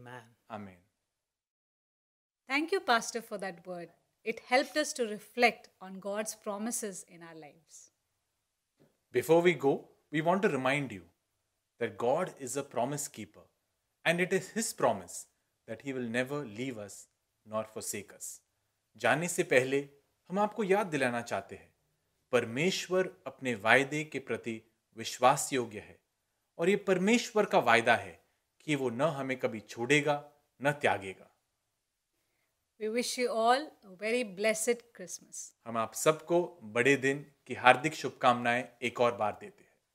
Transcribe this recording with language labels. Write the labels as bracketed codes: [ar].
[en] Amen. Amen. Thank you, Pastor, for that word. It helped us to reflect on God's promises in our lives. Before we go, we want to remind you that God is a promise keeper, and it is His promise that He will never leave us nor forsake us. [hi] जाने से पहले हम आपको याद दिलाना चाहते हैं, परमेश्वर अपने वायदे के प्रति विश्वास योग्य है, और ये परमेश्वर का वायदा है कि वो न हमें कभी छोड़ेगा न त्यागेगा. [en] We wish you all a very blessed Christmas. [hi] हम आप सबको बड़े दिन की हार्दिक शुभकामनाएं एक और बार देते हैं.